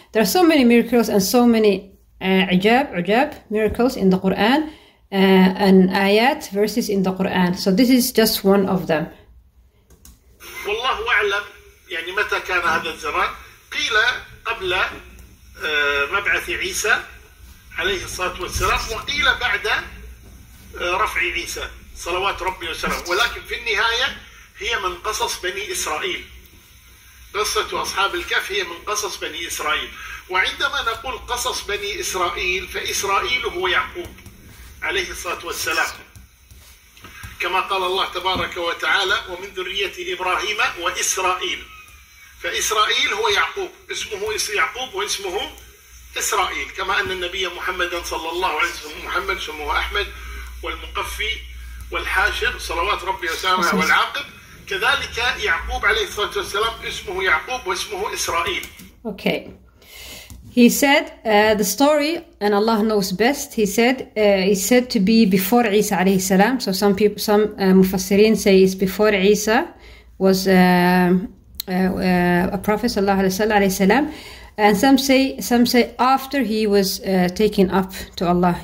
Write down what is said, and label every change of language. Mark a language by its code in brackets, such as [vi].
[en] There are so many miracles and so many عجاب, miracles in the Quran, and آيات, verses in the Quran. So this is just one of them. [ar] والله أعلم, يعني متى كان هذا الزمان؟ قيل قبل مبعث عيسى عليه الصلاة والسلام وقيل بعد رفع عيسى صلوات ربي وسلامه, ولكن في النهاية هي من قصص بني إسرائيل. قصة أصحاب الكهف هي من قصص بني إسرائيل. وعندما نقول قصص بني إسرائيل, فإسرائيل هو يعقوب عليه الصلاة والسلام, كما قال الله تبارك وتعالى, ومن ذرية إبراهيم وإسرائيل. فإسرائيل هو يعقوب، اسمه يعقوب واسمه إسرائيل، كما أن النبي محمد صلى الله عليه وسلم محمد سموه أحمد، والمقفي والحاشر صلوات ربي وسلامه والعاقب، كذلك يعقوب عليه الصلاة والسلام اسمه يعقوب واسمه إسرائيل. [en] Okay. He said the story, and Allah knows best. He said it's said to be before Isa alayhi salam. So some people, some mufassirin say it's before Isa was a prophet, sallallahu alayhi salam, and some say after he was taken up to Allah.